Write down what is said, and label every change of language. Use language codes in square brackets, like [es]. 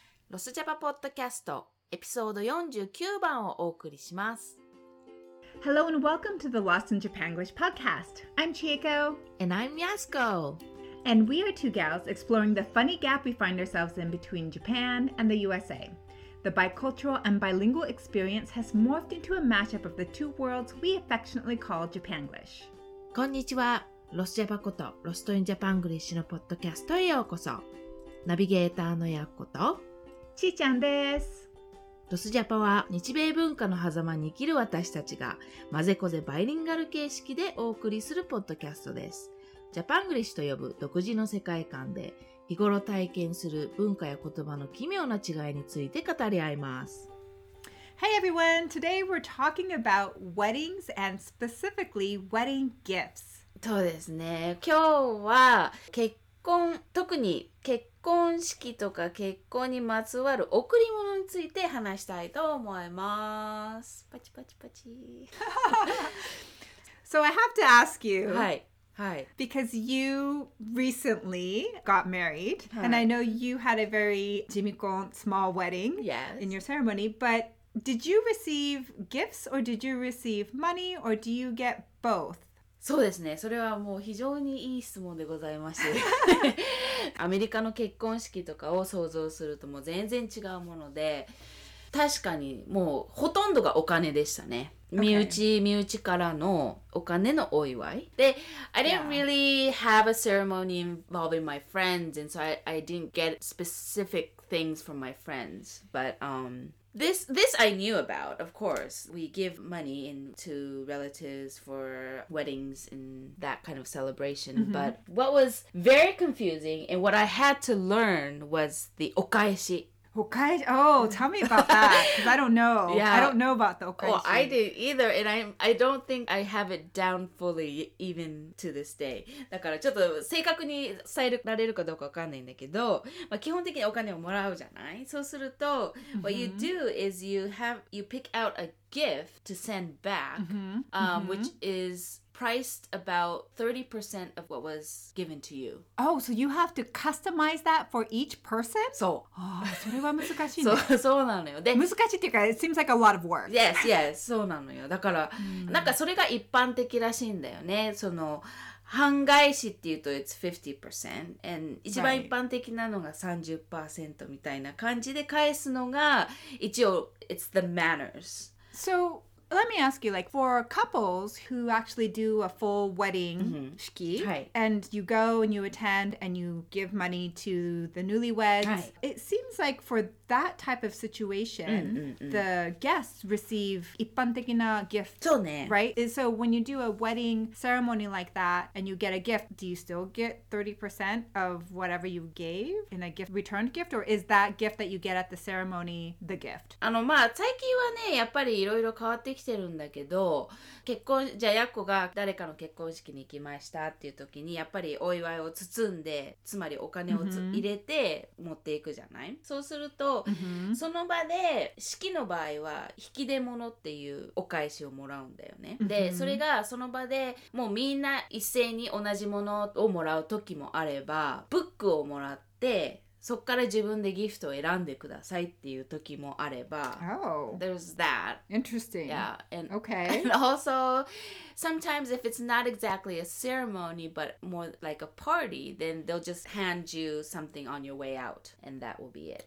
[ja] ロスジャパポッドキャスト、エピソード49番をお送りします。 [en] Hello and welcome to the Lost in Japan English podcast. I'm Chieko. And I'm Yasuko. And we are two gals exploring the funny gap we find ourselves in between Japan and the USA. The bicultural and bilingual experience has morphed into a mashup of the two worlds we affectionately call Japanglish. [ja] こんにちは。ロスジャパことロストインジャパングリッシュのポッドキャストへようこそ。ナビゲーターのやっことちーちゃんです。ロスジャパは日米文化の狭間に生きる私たちがまぜこぜバイリンガル形式でお送りするポッドキャストです。ジャパングリッシュと呼ぶ独自の世界観で日頃体験する文化や言葉の奇妙な違いについて語り合います。 [en] Hey everyone, today we're talking about weddings and specifically wedding gifts [ja] そうですね。今日は結婚、特に結婚式とか結婚にまつわる贈り物について話したいと思います。パチパチパチ。 [en] So I have to ask you. [ja] はい。はい。 [en] Because you recently got married,、はい、and I know you had a very 地味コン small wedding、 yes. in your ceremony, but did you receive gifts or did you receive money or do you get both? [ja] そうですね。それはもう非常にいい質問でございまして。アメリカの結婚式とかを想像するともう全然違うもので、確かにもうほとんどがお金でしたね。 [en] Okay. [ja] 身内からのお金のお祝い。 [en] で、I didn't、yeah. really have a ceremony involving my friends, and so I didn't get specific things from my friends. But, This I knew about, of course. We give money to relatives for weddings and that kind of celebration.、Mm-hmm. But what was very confusing and what I had to learn was the お返し. お返し?Oh, tell me about that. Because I don't know. Yeah. I don't know about the お返し. Well, I didn't either. And I don't think I have it down fully even to this day. [ja] だからちょっと正確に伝えられるかどうかわかんないんだけど、まあ、基本的にお金をもらうじゃない? そうすると、mm-hmm. [en] what you do is you pick out a gift to send back,、mm-hmm. mm-hmm. which is... priced about 30% of what was given to you. Oh, so you have to customize that for each person? [ja] そう。それは難しいね。そうなのよ。で、難しいっていうか、 [en] it seems like a lot of work. Yes, yes, [ja] そうなのよ。だから、なんかそれが一般的らしいんだよね。その、半返しっていうと [en] it's 50%. [ja] And 一番一般的なのが 30% みたいな感じで返すのが、一応 [en] it's the manners. So... Let me ask you, like, for couples who actually do a full wedding、mm-hmm. [ja] 式、はい、 [en] and you go and you attend and you give money to the newlyweds,、 [ja] はい、 [en] it seems like for that type of situation,、 mm-hmm. the guests receive 一般的な gift, [ja] そうね、 [en] right? And so when you do a wedding ceremony like that and you get a gift, do you still get 30% of whatever you gave in a gift, returned gift? Or is that gift that you get at the ceremony the gift? [ja] あの、まあ、最近はね、やっぱりいろいろ変わってきてるんだけど、結婚じゃあやっこが誰かの結婚式に行きましたっていう時にやっぱりお祝いを包んで、つまりお金を、mm-hmm. 入れて持っていくじゃない？そうすると、 mm-hmm. その場で式の場合は引き出物っていうお返しをもらうんだよね。 [en] Mm-hmm. [ja] でそれがその場でもうみんな一斉に同じものをもらう時もあれば、ブックをもらって。そっから自分でギフトを選んでくださいっていう時もあれば、 [en] oh. There's that. Interesting. Yeah. And, okay. And also, sometimes if it's not exactly a ceremony, but more like a party, then they'll just hand you something on your way out, and that will be it.